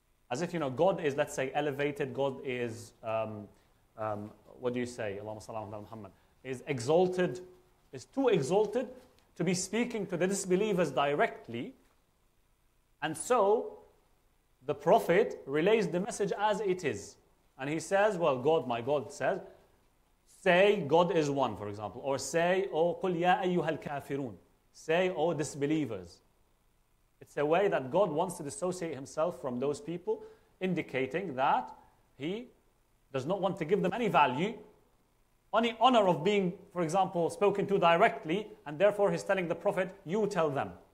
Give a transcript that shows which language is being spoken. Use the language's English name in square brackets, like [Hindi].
[English] As if, God is, let's say, elevated, God is, what do you say, [Arabic] Allahumma salli ala Muhammad, [English] is exalted, is too exalted to be speaking to the disbelievers directly, and so the Prophet relays the message as it is. And he says, well, God, my God, says, say, God is one, for example. Or say, oh, [Arabic] قُلْ يَا أَيُّهَا الْكَافِرُونَ. [English] Say, oh, disbelievers. It's a way that God wants to dissociate himself from those people, indicating that he does not want to give them any value, any honor of being, for example, spoken to directly, and therefore he's telling the Prophet, you tell them.